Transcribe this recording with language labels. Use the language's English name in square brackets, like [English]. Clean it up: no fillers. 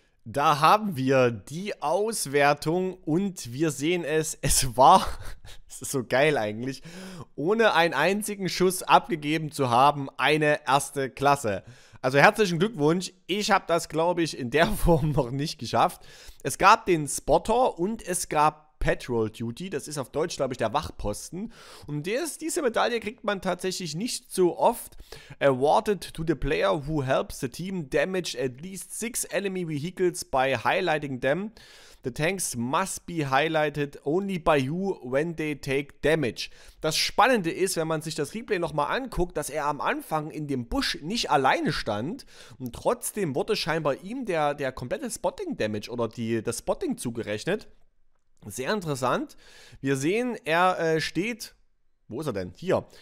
[German] Da haben wir die Auswertung und wir sehen es, es war, es ist so geil eigentlich, ohne einen einzigen Schuss abgegeben zu haben, eine erste Klasse. Also herzlichen Glückwunsch, ich habe das glaube ich in der Form noch nicht geschafft. Es gab den Spotter und es gab Patrol Duty, das ist auf Deutsch glaube ich der Wachposten. Und diese Medaille kriegt man tatsächlich nicht so oft. [English] Awarded to the player who helps the team damage at least 6 enemy vehicles by highlighting them. The tanks must be highlighted only by you when they take damage. [German] Das Spannende ist, wenn man sich das Replay nochmal anguckt, dass er am Anfang in dem Busch nicht alleine stand und trotzdem wurde scheinbar ihm der komplette Spotting Damage oder das Spotting zugerechnet. Sehr interessant. Wir sehen, er steht, wo ist er denn? Hier.